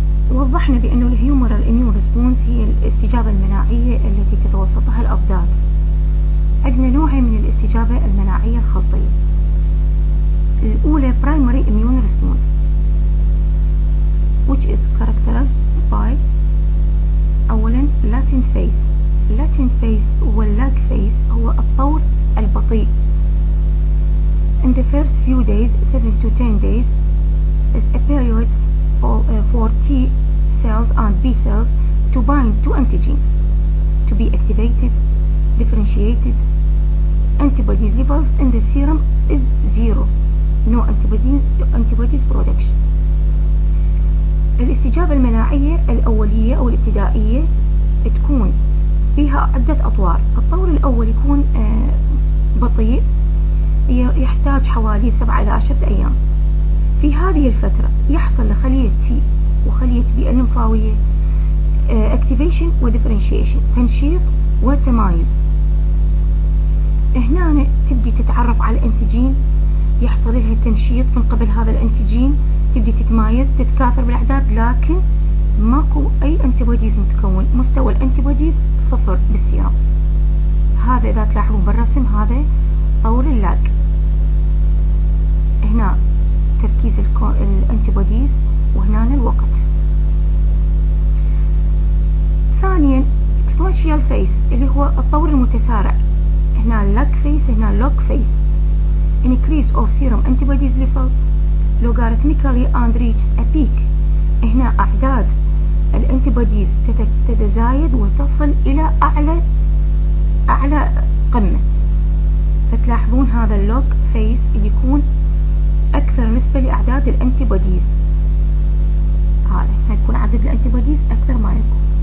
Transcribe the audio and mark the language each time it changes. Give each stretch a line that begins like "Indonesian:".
Arabic: وضحنا بأن الهيومرال إميون ريسبونس هي الاستجابة المناعية التي تتوسطها الأبداد. عندنا نوعين من الاستجابة المناعية الخلطية، الأولى
English: primary immune response which is characterized by
Arabic: أولا
English: latent phase.
Arabic: latent phase هو lag phase، هو الطور البطيء.
English: in the first few days 7 to 10 days is a period for T cells and B cells to bind to antigens to be activated, differentiated. Antibody levels in the serum is zero. No antibodies production.
Arabic: الاستجابة المناعية الأولية أو الابتدائية تكون فيها عدة أطوار. الطور الأول يكون بطيء، يحتاج حوالي 7 إلى 10 أيام. في هذه الفترة يحصل لخلية T وخلية بي النمفاوية activation وdifferentiation، تنشيط وتمايز. هنا تبدي تتعرف على الانتيجين، يحصل لها تنشيط من قبل هذا الانتيجين، تبدي تتمايز تتكاثر بالأعداد، لكن ماكو أي انتيبوديز متكون، مستوى الانتيبوديز صفر بالسيرم. هذا إذا تلاحظون بالرسم هذا طور اللاج. هنا تركيز الانتيبوديز وهنا الوقت. ثانيا exponential phase اللي هو الطور المتسارع، هنا lag phase هنا log phase.
English: increase of serum antibodies level logarithmically and reaches a peak.
Arabic: هنا اعداد الانتيبوديز تتزايد وتصل الى اعلى قمة. فتلاحظون هذا log phase اللي يكون اكثر نسبة لاعداد الانتيبوديز، هذا يكون عدد الانتيبوديز اكثر ما يكون.